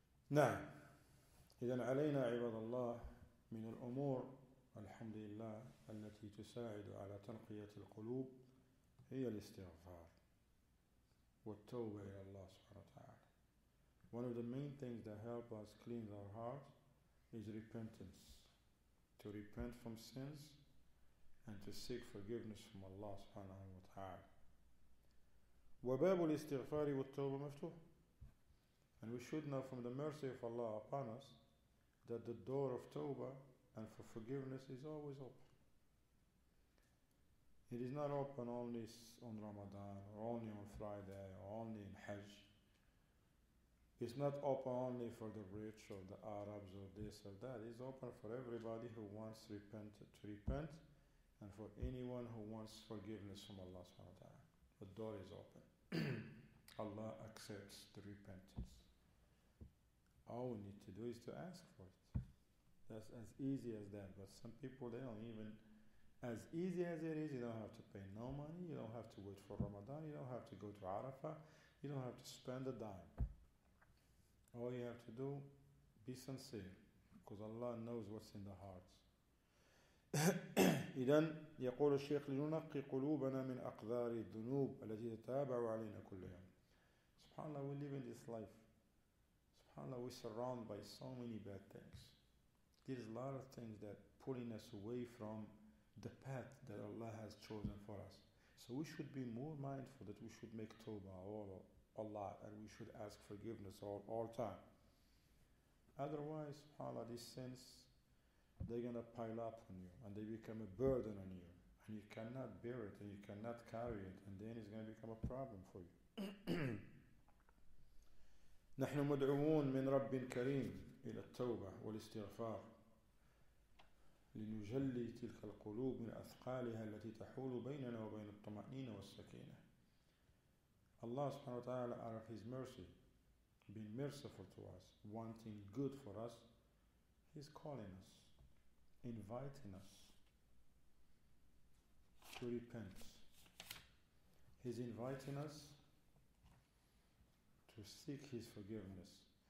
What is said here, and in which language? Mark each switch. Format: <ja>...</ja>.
<ar>نعم إذن علينا عباد الله من الأمور الحمد لله التي تساعد على تنقية القلوب هي الاستغفار والتوبة إلى الله سبحانه وتعالى.</ar> <en>One of the main things that help us clean our hearts is repentance, to repent from sins and to seek forgiveness from Allah سبحانه وتعالى.</en> <ar>وباب الاستغفار والتوبة مفتوح.</ar> <en>And we should know from the mercy of Allah upon us that the door of Tawbah and for forgiveness is always open. It is not open only on Ramadan or only on Friday or only in Hajj. It's not open only for the rich or the Arabs or this or that. It's open for everybody who wants to repent and for anyone who wants forgiveness from Allah subhanahu wa ta'ala. The door is open. Allah accepts the repentance. All we need to do is to ask for it. That's as easy as that. But some people, they don't even, as easy as it is, you don't have to pay no money, you don't have to wait for Ramadan, you don't have to go to Arafah, you don't have to spend a dime. All you have to do, be sincere, because Allah knows what's in the hearts.</en> <ar>إذن يقول الشيخ لننقي قلوبنا من أقذار الذنوب التي تتابع علينا كل يوم.</ar> <en>Subhanallah, we live in this life. Subhanallah, we're surrounded by so many bad things. There's a lot of things that are pulling us away from the path that Allah has chosen for us. So we should be more mindful that we should make tawbah a lot, and we should ask forgiveness all time. Otherwise, subhanallah, these sins, they're going to pile up on you, and they become a burden on you, and you cannot bear it, and you cannot carry it, and then it's going to become a problem for you.</en> <ar>نحن مدعوون من رب كريم إلى التوبة والاستغفار لنجلي تلك القلوب من أثقالها التي تحول بيننا وبين الطمأنينة والسكينة.</ar> <en>Allah subhanahu wa ta'ala out of His mercy, being merciful to us, wanting good for us, He's calling us, inviting us to repent. He's inviting us to seek His forgiveness.</en>